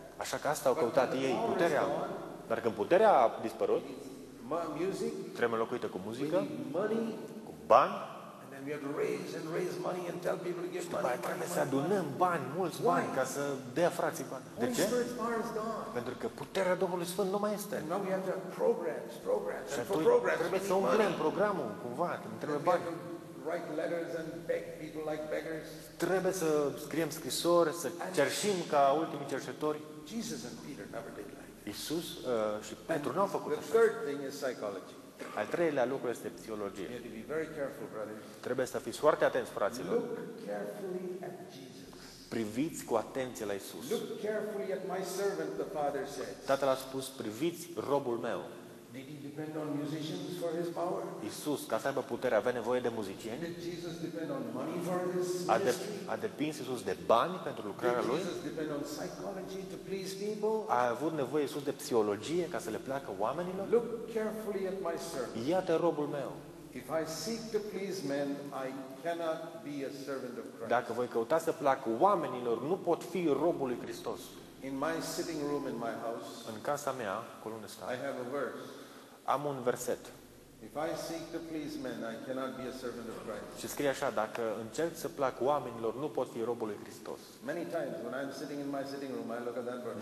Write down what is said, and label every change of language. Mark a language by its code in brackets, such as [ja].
[ro] Așa că asta au căutat ei, puterea. Dar când puterea a dispărut, [en] music, [ro] trebuie înlocuită cu muzică, [en] money, [ro] cu bani, [en] and then we have to raise and raise money and tell people to give money. [ro] Trebuie money, să adunăm [en] money. [ro] Bani, mulți bani. [en] Why? [ro] Ca să dea frații bani. De ce? Pentru că puterea Duhului Sfânt nu mai este. [en] Now we have to have programs. [ro] Și atunci trebuie să umplem programul cumva, trebuie bani. [en] Write letters and beg people like beggars. [ro] Trebuie să scriem scrisori, să cerșim ca ultimii cerșetori. [en] Jesus and Peter never did like that. [ro] Iisus și Petru nu au făcut [en] așa. The third thing is psychology. [ro] Al treilea lucru este psihologie. [en] You have to be very careful, brothers. [ro] Trebuie să fiți foarte atenți, fraților. [en] Look carefully at Jesus. [ro] Priviți cu atenție la Iisus. [en] Look carefully at my servant, the father says. [ro] Tatăl a spus, priviți robul meu. [en] Did he depend on musicians for his power? [ro] Iisus, ca să aibă puterea, avea nevoie de muzicieni? [en] Did Jesus depend on money for his ministry? [ro] A depins Iisus de bani pentru lucrarea lui? [en] Did Jesus depend on psychology to please people? [ro] A avut nevoie Iisus de psihologie ca să le placă oamenilor? [en] Look carefully at my servant. [ro] Iată robul meu. [en] If I seek to please men, I cannot be a servant of Christ. [ro] Dacă voi căuta să plac oamenilor, nu pot fi robul lui Hristos. [en] In my sitting room in my house. [ro] În casa mea, acolo unde stau. [en] I have a verse. [ro] Am un verset. [en] If I seek to please men, I cannot be a servant of Christ. [ro] Și scrie așa, dacă încerc să plac oamenilor, nu pot fi robul lui Hristos. [en] Many times when I'm sitting in my sitting room, I look at that verse.